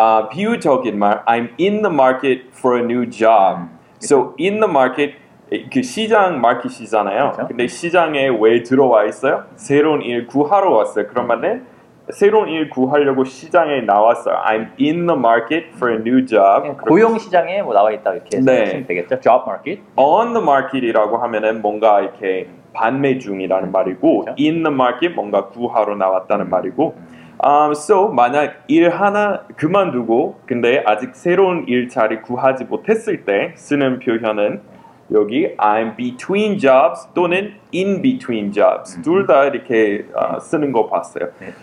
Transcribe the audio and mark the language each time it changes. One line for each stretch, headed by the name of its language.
Korean: 비유적인 말,
English: I'm in the market for a new job.
Korean: 그렇죠?
English: So in the market,
Korean: 그 시장 마켓이잖아요. 그렇죠? 근데 시장에 왜 들어와 있어요? 새로운 일 구하러 왔어요. 그런 말에 새로운 일 구하려고 시장에 나왔어요.
English: I'm in the market for a new job.
Korean: 고용 시장에 뭐 나와 있다 이렇게 쓰시면 되겠죠.
English: Job market. On the market
Korean: 이라고 하면은 뭔가 이렇게 판매 중이라는 말이고, 그렇죠?
English: in the market
Korean: 뭔가 구하러 나왔다는 말이고. So 만약 일 하나 그만두고 근데 아직 새로운 일자리 구하지 못했을 때 쓰는 표현은 여기
English: I'm between jobs
Korean: 또는
English: in between jobs
Korean: 둘 다 이렇게 쓰는 거 봤어요. 네.